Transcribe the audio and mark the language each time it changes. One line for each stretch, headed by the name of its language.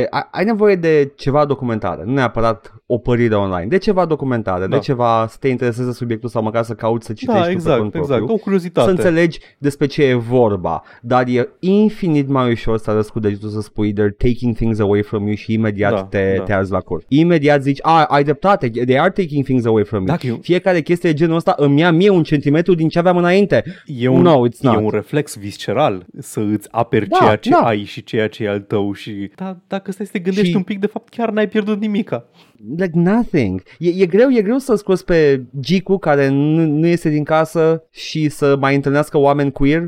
Romanian: Ai nevoie de ceva documentare, nu neapărat o părire online, de ceva documentare, da, de ceva să te intereseze subiectul sau măcar să cauți să citești, da, exact, tu pe cont exact, propriu, o curiozitate. Să înțelegi despre ce e vorba, dar e infinit mai ușor să arăți cu degetul să spui they're taking things away from you și imediat te arzi la cur. Imediat zici, ai dreptate, they are taking things away from you. Fiecare chestie de genul ăsta îmi ia mie un centimetru din ce aveam înainte. E un reflex visceral să îți aperi ceea ce ai și ceea ce e al tău și... Dar dacă stai să te gândești un pic, de fapt chiar n-ai pierdut nimica.
English: Like nothing.
Romanian: E greu să-l scoți pe Gicu, care nu iese din casă, și să mai întâlnească oameni queer,